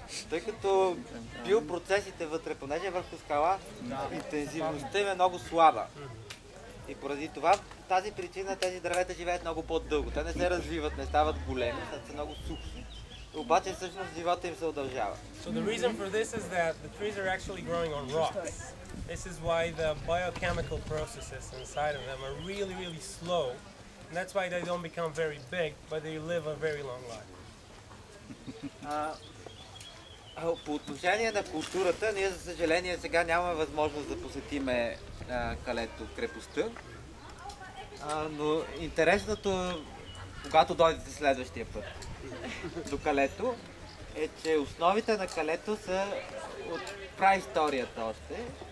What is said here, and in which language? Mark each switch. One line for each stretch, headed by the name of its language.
Bulgarian: Тъй като бил процесите вътре, понеже върху скала интензивността е много слаба. И поради това тази причина тези дървета живеят много по-дълго. Те не се развиват, не стават големи, стават са много сухи. Обаче всъщност живота им се удължава.
English: So the reason for this is that the trees are actually growing on rocks. This is why the biochemical processes inside of them are really, really slow. And that's why they don't become very big, but they live a very long life.
Bulgarian: По отношение на културата, ние за съжаление сега нямаме възможност да посетим Калето крепостта. Но интересното, когато дойдете следващия път до Калето, е, че основите на Калето са от праисторията още.